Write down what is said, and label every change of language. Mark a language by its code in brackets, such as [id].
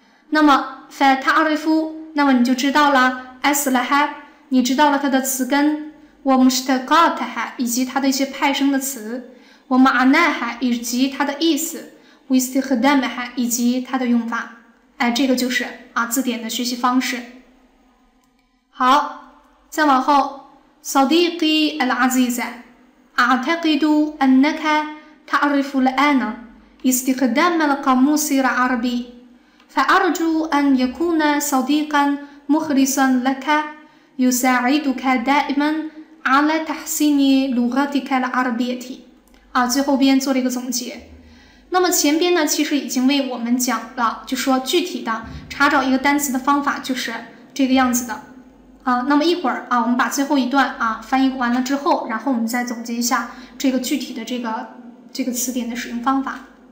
[zh] 那么 [ar] fa ta'rifu， [zh] 那么你就知道了 [ar] aslaha， [zh] 你知道了它的词根 [ar] wa mushtaqataha [zh] 以及它的一些派生的词。我们 [ar] ma'naha [zh] 以及它的意思 [ar] wistihdamaha [zh] 以及它的用法，哎，这个就是啊字典的学习方式。 [ar] 好，再往后 صديقي العزيز أعتقد أنك تعرف الآن استخدام القاموس العربي فأرجو أن يكون صديقا مخلصا لك يساعدك دائما على تحسين لغتك العربية [zh] 啊，最后边做了一个总结。那么前边呢其实已经为我们讲了，就说具体的查找一个单词的方法就是这个样子的啊。那么一会儿啊我们把最后一段啊翻译完了之后，然后我们再总结一下这个具体的这个词典的使用方法。